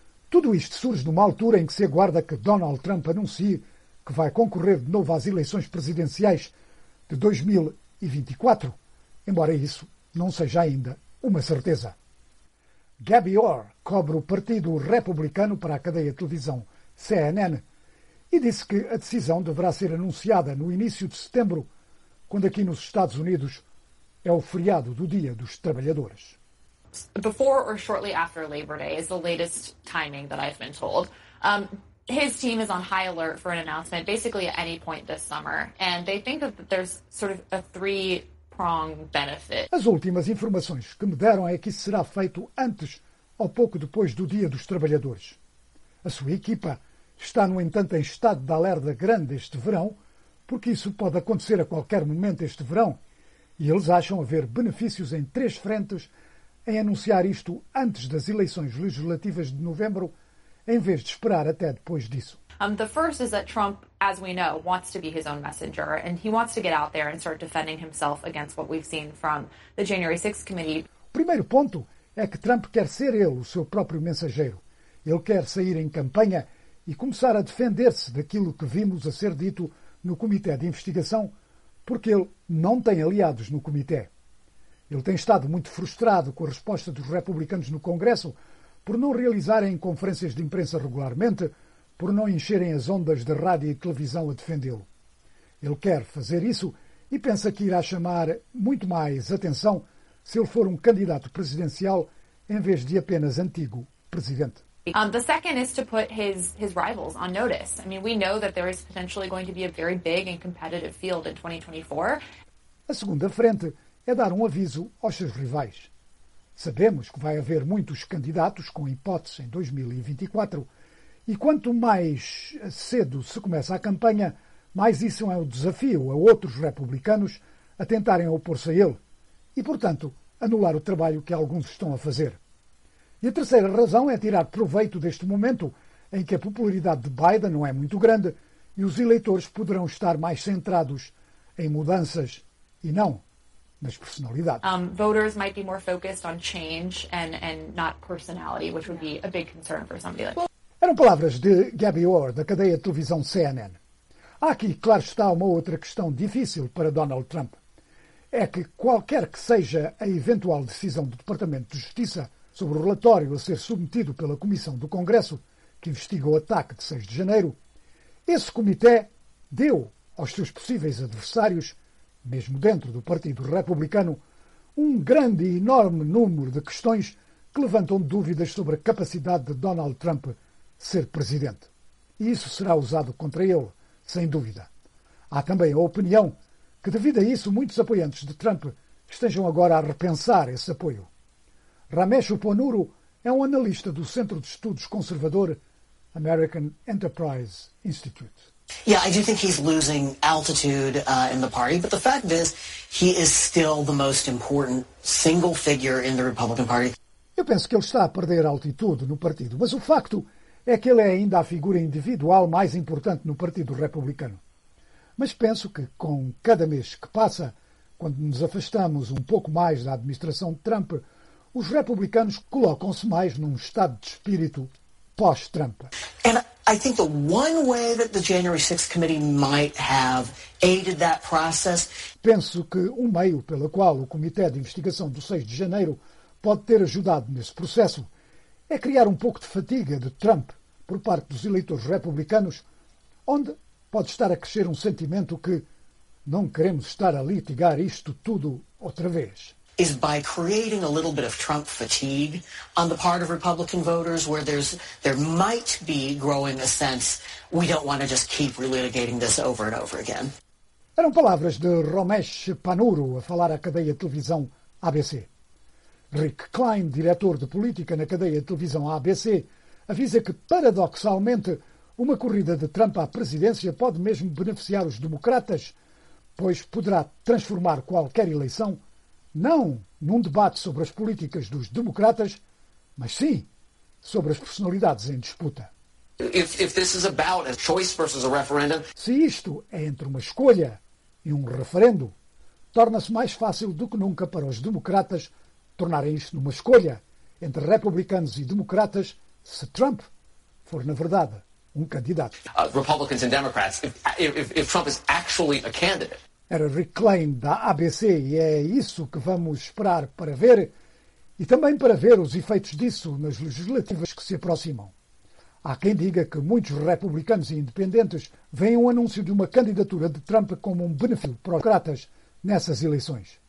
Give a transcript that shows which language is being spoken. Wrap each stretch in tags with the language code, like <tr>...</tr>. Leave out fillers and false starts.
<pt>Tudo isto surge numa altura em que se aguarda que Donald Trump anuncie que vai concorrer de novo às eleições presidenciais de 2024, embora isso não seja ainda uma certeza. Gabby Orr cobre o Partido Republicano para a cadeia de televisão CNN e disse que a decisão deverá ser anunciada no início de setembro, quando aqui nos Estados Unidos é o feriado do Dia dos Trabalhadores.</pt> <en>Before or shortly after Labor Day is the latest timing that I've been told. His team is on high alert for an announcement basically at any point this summer, and they think that there's sort of a three-prong benefit.</en> <pt>As últimas informações que me deram é que isso será feito antes ou pouco depois do Dia dos Trabalhadores. A sua equipa está, no entanto, em estado de alerta grande este verão, porque isso pode acontecer a qualquer momento este verão, e eles acham haver benefícios em três frentes em anunciar isto antes das eleições legislativas de novembro, em vez de esperar até depois disso.</pt> <en>The first is that Trump, as we know, wants to be his own messenger, and he wants to get out there and start defending himself against what we've seen from the January 6th committee.</en> <pt>O primeiro ponto é que Trump quer ser ele o seu próprio mensageiro. Ele quer sair em campanha e começar a defender-se daquilo que vimos a ser dito no Comitê de Investigação, porque ele não tem aliados no Comitê. Ele tem estado muito frustrado com a resposta dos republicanos no Congresso por não realizarem conferências de imprensa regularmente, por não encherem as ondas de rádio e televisão a defendê-lo. Ele quer fazer isso e pensa que irá chamar muito mais atenção se ele for um candidato presidencial em vez de apenas antigo presidente.</pt> <en>The second is to put his rivals on notice. I mean, we know that there is potentially going to be a very big and competitive field in 2024.</en> <pt>A segunda frente é dar um aviso aos seus rivais. Sabemos que vai haver muitos candidatos com hipótese em 2024, e quanto mais cedo se começa a campanha, mais isso é um desafio a outros republicanos a tentarem opor-se a ele e, portanto, anular o trabalho que alguns estão a fazer. E a terceira razão é tirar proveito deste momento em que a popularidade de Biden não é muito grande e os eleitores poderão estar mais centrados em mudanças e não nas personalidades.</pt> <en>Voters might be more focused on change and not personality, which would be a big concern for somebody like...</en> <pt>Eram palavras de Gabby Orr, da cadeia de televisão CNN. Há aqui, claro está, uma outra questão difícil para Donald Trump. É que qualquer que seja a eventual decisão do Departamento de Justiça sobre o relatório a ser submetido pela Comissão do Congresso, que investiga o ataque de 6 de janeiro, esse comitê deu aos seus possíveis adversários, mesmo dentro do Partido Republicano, um grande e enorme número de questões que levantam dúvidas sobre a capacidade de Donald Trump ser presidente. E isso será usado contra ele, sem dúvida. Há também a opinião que, devido a isso, muitos apoiantes de Trump estejam agora a repensar esse apoio. Ramesh Uponuru é um analista do Centro de Estudos Conservador American Enterprise Institute.</pt> <en>Yeah, I do think he's losing altitude in the party, but the fact is he is still the most important single figure in the Republican Party.</en> <pt>Eu penso que ele está a perder altitude no partido, mas o facto é que ele é ainda a figura individual mais importante no Partido Republicano. Mas penso que, com cada mês que passa, quando nos afastamos um pouco mais da administração de Trump, os republicanos colocam-se mais num estado de espírito pós-Trump.</pt> <en>I think the one way that the January 6th committee might have aided that process.</en> <pt>Penso que um meio pelo qual o Comitê de Investigação do 6 de Janeiro pode ter ajudado nesse processo é criar um pouco de fatiga de Trump por parte dos eleitores republicanos, onde pode estar a crescer um sentimento que não queremos estar a litigar isto tudo outra vez.</pt> <en>Is by creating a little bit of Trump fatigue on the part of Republican voters, where there might be growing a sense we don't want to just keep relitigating this over and over again.</en> <pt>Eram palavras de Ramesh Panuru a falar à cadeia de televisão ABC. Rick Klein, diretor de política na cadeia de televisão ABC, avisa que, paradoxalmente, uma corrida de Trump à presidência pode mesmo beneficiar os democratas, pois poderá transformar qualquer eleição não num debate sobre as políticas dos democratas, mas sim sobre as personalidades em disputa.</pt> <en>If this is about a choice versus a referendum...</en> <pt>Se isto é entre uma escolha e um referendo, torna-se mais fácil do que nunca para os democratas tornarem isto numa escolha entre republicanos e democratas, se Trump for, na verdade, um candidato.</pt> <en>Republicans and Democrats, if Trump is actually a candidate...</en> <pt>Era Rick Klein, da ABC, e é isso que vamos esperar para ver e também para ver os efeitos disso nas legislativas que se aproximam. Há quem diga que muitos republicanos e independentes veem o anúncio de uma candidatura de Trump como um benefício para os democratas nessas eleições.</pt>